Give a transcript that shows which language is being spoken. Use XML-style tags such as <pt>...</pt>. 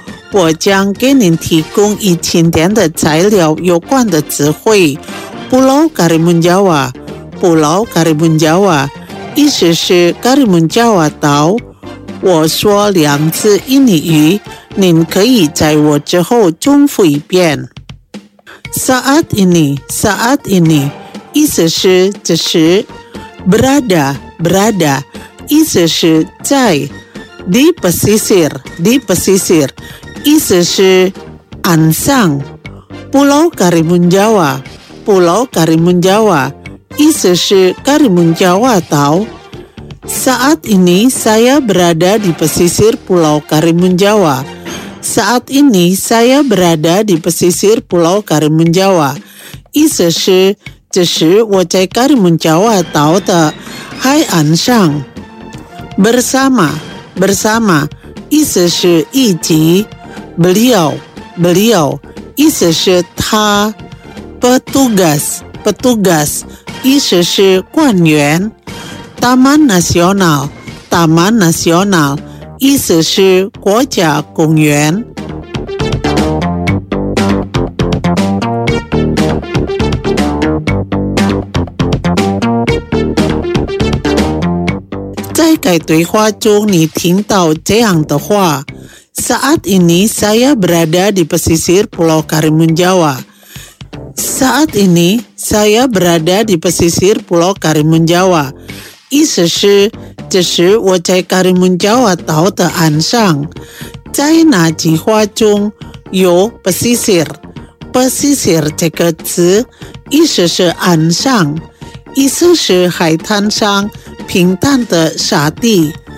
<zh>我将给您提供一千点的材料有关的词汇。</zh> <id>Pulau Karimun Jawa， Pulau Karimun Jawa，</id> <zh>意思是 Karimun Jawa 岛。我说两次印尼语，您可以在我之后重复一遍。</zh> <id>Saat ini， Saat ini，</id> <zh>意思是这时。</zh> <id>Berada， Berada，</id> <zh>意思是在。</zh> <id>Di pesisir， Di pesisir。</id> <zh>意思是岸上。</zh> <id>Pulau Karimun Jawa， Pulau Karimun Jawa，</id> <zh>意思是 Karimun Jawa 岛。</zh> <id>Saat ini saya berada di pesisir Pulau Karimun Jawa， Saat ini saya berada di pesisir Pulau Karimun Jawa，</id> <zh>意思是这时我在 Karimun Jawa 岛的海岸上。</zh> <id>Bersama， Bersama，</id> <zh>意思是一起。</zh> <id>Beliau， beliau，</id> <zh>意思是他。</zh> <id>Petugas， petugas，</id> <zh>意思是官员。</zh> <id>Taman Nasional， Taman Nasional，</id> <zh>意思是国家公园。在该对话中，你听到这样的话。</zh> <id>Saat ini saya berada di pesisir Pulau Karimun Jawa. Saat ini saya berada di pesisir Pulau Karimun Jawa.</id> <zh>意思是，这时我在 Karimun Jawa 岛的岸上。在哪句话中有 pesisir？ Pesisir 这个词，意思是岸上，意思是海滩上平坦的沙地。</zh>